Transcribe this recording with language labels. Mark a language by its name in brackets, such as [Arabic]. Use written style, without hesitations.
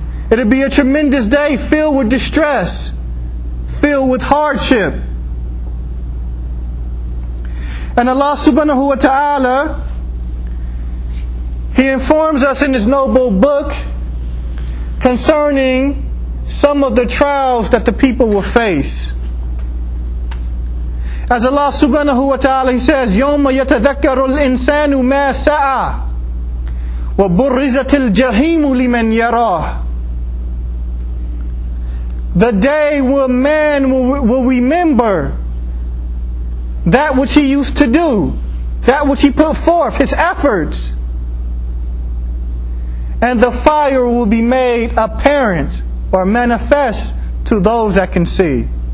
[English] It'll be a tremendous day filled with distress, filled with hardship. And Allah subhanahu wa ta'ala, He informs us in His noble book concerning some of the trials that the people will face. As Allah subhanahu wa ta'ala, He says, [Arabic] يَوْمَ يَتَذَكَّرُ الْإِنسَانُ مَا سَعَى وَبُرِّزَتِ الْجَهِيمُ لِمَنْ يَرَاهُ. [English] The day when man will remember that which he used to do, that which he put forth, his efforts, and the fire will be made apparent or manifest to those that can see.